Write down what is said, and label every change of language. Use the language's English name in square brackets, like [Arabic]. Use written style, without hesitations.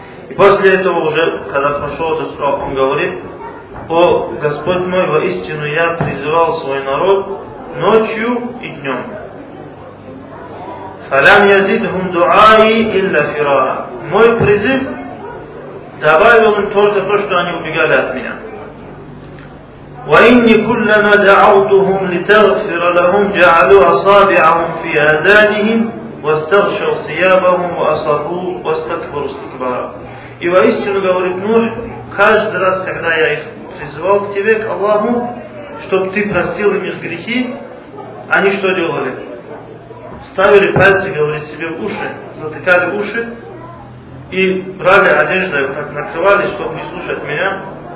[Russian] И после этого уже, когда прошел этот срок, он говорит: «О Господь мой, воистину я призывал свой народ ночью и днем». [Arabic] «Фалям язидхум дуаи илля фирара». [Russian] Мой призыв добавил им только то, что они убегали от меня. [Arabic] وإني كلما دعوتهم لتغفر لهم جعلوا أصابعهم في آذانهم واستغشوا ثيابهم وأصروا واستكبروا استكبارا. [Russian] И воистину говорит Нух, каждый раз, когда я их призывал к тебе, к Аллаху, чтобы ты простил им их грехи, они что делали? Ставили пальцы, говорит, себе в уши, затыкали уши и брали одежду, вот так накрывали, чтобы не слушать меня.